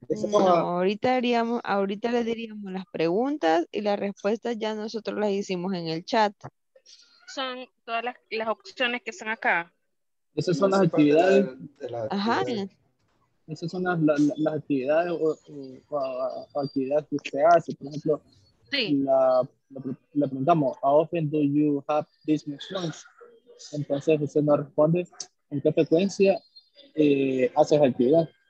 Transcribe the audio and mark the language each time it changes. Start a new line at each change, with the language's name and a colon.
Spanish: No, ahorita le diríamos las preguntas y las respuestas ya nosotros las hicimos en el chat. Son todas las opciones que están acá. Esas son las actividades. Ajá. Esas son las actividades o actividades que usted hace. Por ejemplo, sí. Le preguntamos,
English: how often do you have business lunch?
Spanish: Entonces usted nos responde, ¿en qué frecuencia haces actividad?